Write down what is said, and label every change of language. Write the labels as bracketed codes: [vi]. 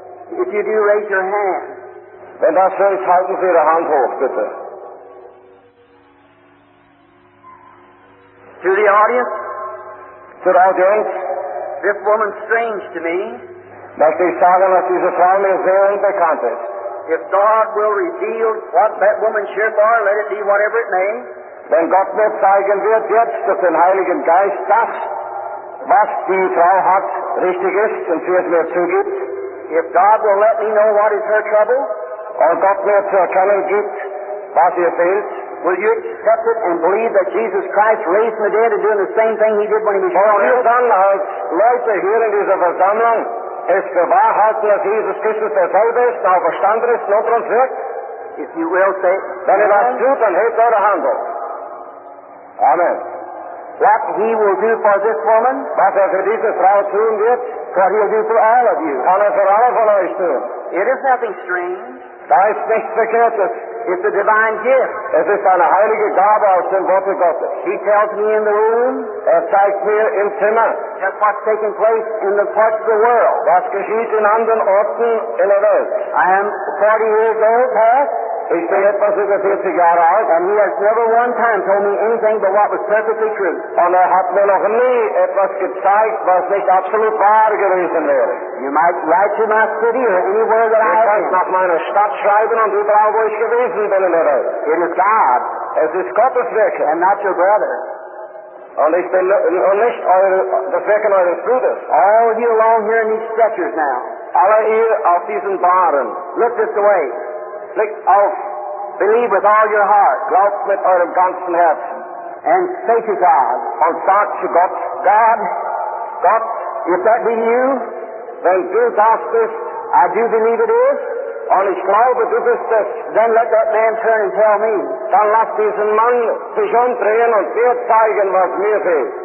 [en] If you do, raise your hand. [de] Wenn das so ist, halten Sie Ihre Hand hoch, bitte. [en] To the audience? [de] Zur Audienz? [en] This woman's strange to me. [de] Möchte ich sagen, dass diese Frau mir sehr unbekannt ist. [en] If God will reveal what that woman's here for, let it be whatever it may. [de] Wenn Gott mir zeigen wird, jetzt durch den Heiligen Geist, das, was die Frau hat, richtig ist und sie es mir zugibt. [en] If God will let me know what is her trouble, [de] und Gott mir zu erkennen gibt, was ihr fehlt, [en] will you accept it and believe that Jesus Christ raised from the dead and doing the same thing he did when he was born? [de] Wenn ihr dann als Leute hier in dieser Versammlung es für wahr halten, dass Jesus Christus derselbe ist, auch verstanden ist, noch uns wirkt, [en] if you will say, [de] wenn ihr das tut, dann hebt eure Hand auf. [en] Amen. What he will do for this woman, [de] was für diese Frau tun wird, [en] what he'll do for all of you, [de] kann für alle von euch tun. [en] It is nothing strange. [de] Da ist nichts Verkehrtes. [en] It's a divine gift. [de] Es ist eine heilige Gabe aus dem Wort Gottes. [en] He tells me in the room, [de] er zeigt mir im Zimmer, [en] just what's taking place in the parts of the world, [de] was geschieht in anderen Orten in der Welt. [en] I am 40 years old, [de] ich bin etwas über 40 Jahre alt. [en] And he has never one time told me anything but what was perfectly true. [de] Und hat mir noch nie etwas gezeigt, was nicht absolut wahr gewesen wäre. [en] You might write to my city or anywhere that [de] ich [en] I am. [de] Ich kann nach meiner Stadt schreiben und überall, wo ich gewesen bin in der Welt. [en] It is God. [de] Es ist Gottes Wirken. [en] And not your brother. [de] Und ich bin nicht das Wirken eures Bruders. [en] All of you along here in these stretchers now. [de] Alle ihr auf diesen Baren. [en] Look this way. [de] Blick auf. [en] Believe with all your heart. [de] Glaub mit eurem ganzen Herzen. [en] And say to God. [de] Und sag zu Gott. [en] God. [de] Gott. [en] If that be you. [de] Wenn du das bist. [en] I do believe it is. [de] Und ich glaube, du bist es. [en] Then let that man turn and tell me. [de] Dann lass diesen Mann sich umdrehen und dir zeigen, was mir fehlt.